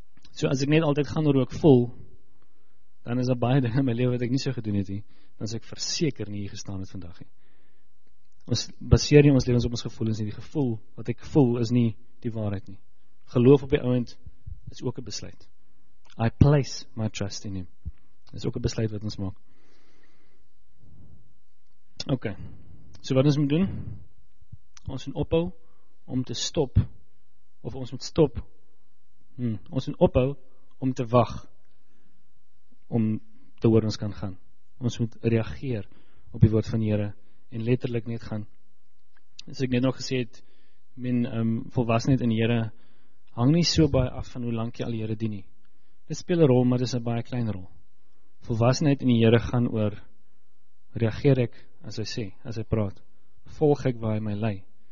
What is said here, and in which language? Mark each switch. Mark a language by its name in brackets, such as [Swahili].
[Afrikaans] So as ek net altyd gaan oor hoe ek voel, dan is daar baie dinge in my lewe wat ek nie so gedoen het nie, dan is ek verseker nie hier gestaan het vandag nie. Ons baseer nie ons lewens op ons gevoelens nie. Die gevoel wat ek voel is nie die waarheid nie. Geloof op die oomblik is ook 'n besluit. [English] I place my trust in him. [Afrikaans] Is ook 'n besluit wat ons maak. Ok, so wat ons moet doen? Ons moet ophou om te stop, of ons moet stop, ons moet ophou om te wag om te hoor ons kan gaan. Ons moet reageer op die woord van die Here en letterlik net gaan. As ek net nog gesê het, volwassenheid in die Here hang nie so baie af van hoe lank jy al die Here dien nie. Dit speel 'n rol, maar dit is 'n baie klein rol. Volwassenheid in die Here gaan oor, reageer ek as hy sê, as hy praat, volg ek waar hy my lei.